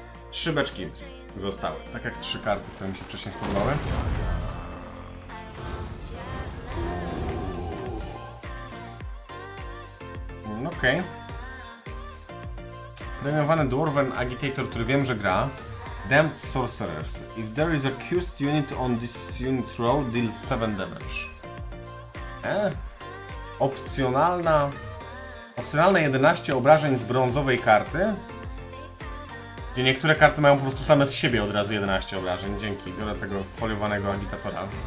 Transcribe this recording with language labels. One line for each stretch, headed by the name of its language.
Polish: 3 beczki zostały, tak jak 3 karty, które mi się wcześniej spodobały. Okej. Okay. Premiowany Dwarven Agitator, który wiem, że gra.
English: Damned Sorcerers. If there is a cursed unit on this unit's row, deal 7 damage.
Polish: Opcjonalne 11 obrażeń z brązowej karty. Gdzie niektóre karty mają po prostu same z siebie od razu 11 obrażeń. Dzięki, biorę tego foliowanego agitatora.